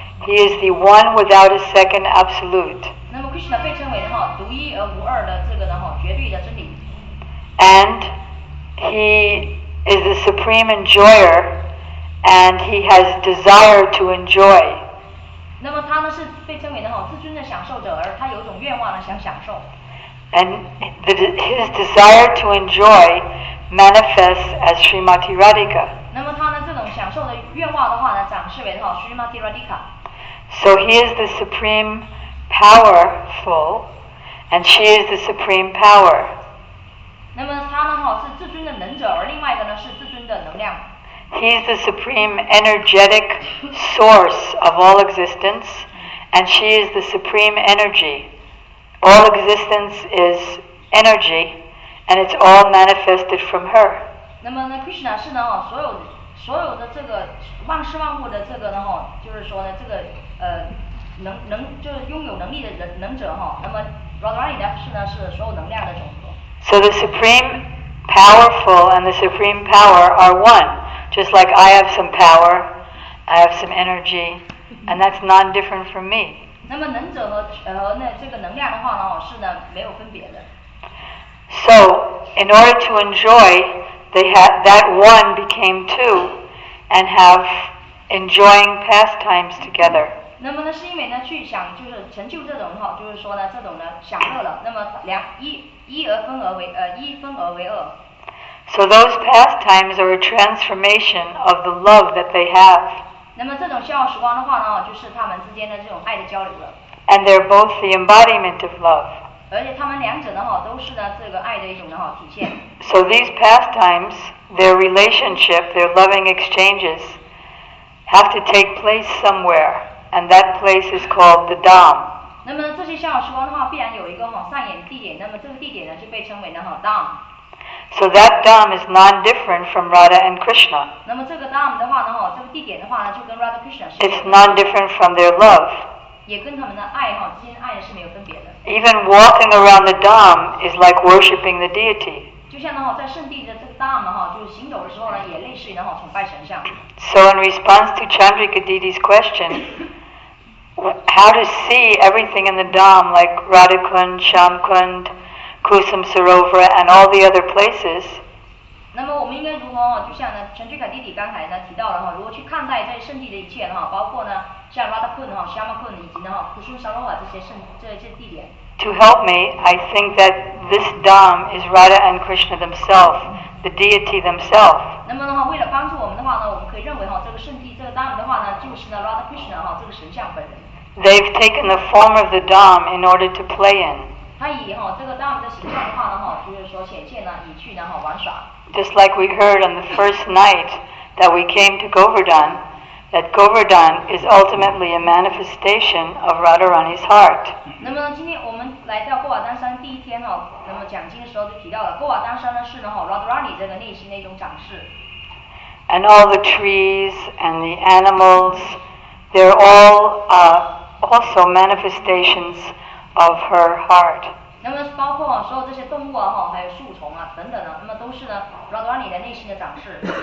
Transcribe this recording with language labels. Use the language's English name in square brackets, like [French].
[English] He is the one without a second absolute. [Chinese] 那么 Krishna 被称为的哈，独一而无二的这个呢哈，绝对的真理。 [English] And he is the supreme enjoyer, and he has desire to enjoy. [Chinese] 那么他呢是被称为的哈自尊的享受者，而他有种愿望呢想享受。 [English] And his desire to enjoy manifests as Srimati Radhika. [Chinese] 那么他呢这种享受的愿望的话呢，展示为哈 Srimati Radhika. [English] So he is the supreme powerful, and she is the supreme power. [Chinese] 那么他呢哈是自尊的能者，而另外一个呢是自尊的能量。 [English] He is the supreme energetic source of all existence, and she is the supreme energy. All existence is energy, and it's all manifested from her. [Chinese] 那么呢 ，Krishna 是呢哈，所有的这个万事万物的这个呢哈，就是说呢这个能就是拥有能力的能者哈。那么 Radharani 呢是呢是所有能量的总和。 [English] So the supreme powerful and the supreme power are one. Just like I have some power, I have some energy, and that's non-different from me. [Chinese] 那么能者和那这个能量的话呢，是呢没有分别的。 [English] So in order to enjoy, they have that one became two, and have enjoying pastimes together. [Chinese] 那么呢，是因为呢去想就是成就这种哈，就是说呢这种呢享乐了。那么一分而为二。 [English] So those pastimes are a transformation of the love that they have. [Chinese] 那么这种消耗时光的话呢，就是他们之间的这种爱的交流了。 [English] And they're both the embodiment of love. [Chinese] 而且他们两者的话，都是呢这个爱的一种的话体现。 [English] So these pastimes, their relationship, their loving exchanges, have to take place somewhere, and that place is called the Dham. [Chinese] 那么这些消耗时光的话，必然有一个哈上演地点，那么这个地点呢，就被称为呢哈 Dham。 [English] So that dham is non-different from Radha and Krishna. [Chinese] 那么这个 dham 的话呢，哈，这个地点的话呢，就跟 Radha Krishna 是。 [English] It's non-different from their love. [Chinese] 也跟他们的爱哈，之间爱是没有分别的。 [English] Even walking around the dham is like worshipping the deity. [Chinese] 就像呢哈，在圣地的这个 dham 哈，就是行走的时候呢，也类似于呢哈，崇拜神像。 [English] So in response to Chandrika Didi's question, how to see everything in the dham like Radha Kund, Shyam Kund. Kusum Sarovara and all the other places. [Chinese] 那么我们应该如何就像呢陈俊凯弟弟刚才呢提到了哈，如何去看待在圣地的一切哈，包括呢像 Radha Kund 哈、Shyam Kund 以及呢哈 Kusum Sarovara 这些地点。 [English] To help me, I think that this dham is Radha and Krishna themselves, the deity themselves. [Chinese] 那么的话，为了帮助我们的话呢，我们可以认为哈，这个圣地这个 dham 的话呢，就是呢 Radha Krishna 哈这个神像本人。 [English] They've taken the form of the dham in order to play in. [Chinese] 他以哈这个 dham 的形象的话呢哈，就是说显现呢，以去呢哈玩耍。 [English] Just like we heard on the first night that we came to Govardhan, that Govardhan is ultimately a manifestation of Radharani's heart. [Chinese] 那么今天我们来到过瓦丹山第一天哈，那么讲经的时候就提到了过瓦丹山呢是呢哈 Radharani 这个内心的一种展示。 [English] And all the trees and the animals, they're all also manifestations. Of her heart. [Chinese] 那么包括哈、啊、所有这些动物啊哈，还有树丛啊等等的、啊，那么都是呢 Radharani 的内心的展示。